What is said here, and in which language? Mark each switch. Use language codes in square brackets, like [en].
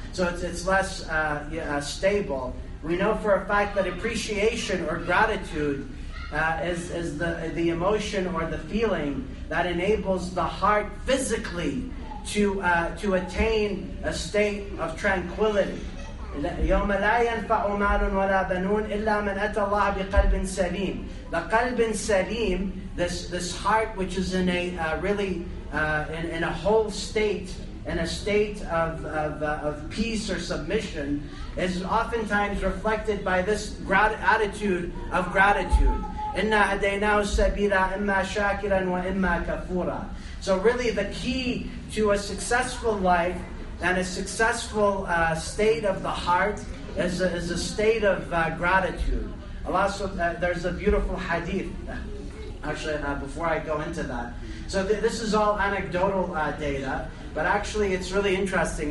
[en] So it's less stable. We know for a fact that appreciation or gratitude is the emotion or the feeling that enables the heart physically to attain a state of tranquility. [ar] يوم لا ينفع مال ولا بنون إلا من أتى الله بقلب سليم. [en] The [ar] قلب سليم, [en] this heart which is in a really in a whole state, in a state of peace or submission, is oftentimes reflected by this attitude of gratitude. [ar] إنا هديناه السبيل إما شاكرا وإما كفورا. [en] So really, the key to a successful life and a successful state of the heart is a state of gratitude. Allah, there's a beautiful hadith. Actually, before I go into that, so this is all anecdotal data, but actually, it's really interesting.